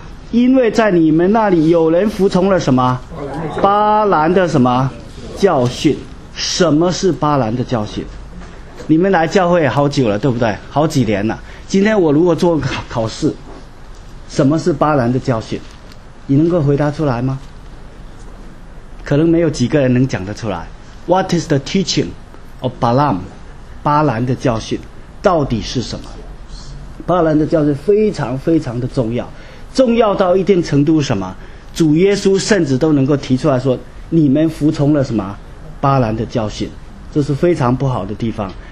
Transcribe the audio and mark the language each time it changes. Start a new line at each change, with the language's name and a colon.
Chinese: 因为在你们那里有人服从了什么巴兰的什么教训。什么是巴兰的教训？你们来教会好久了，对不对？好几年了。今天我如果做考试，什么是巴兰的教训？你能够回答出来吗？可能没有几个人能讲得出来。
English: What is the teaching of Balaam?
Chinese: 巴兰的教训到底是什么？巴兰的教训非常非常的重要，重要到一定程度什么？主耶稣甚至都能够提出来说你们服从了什么巴兰的教训，这是非常不好的地方。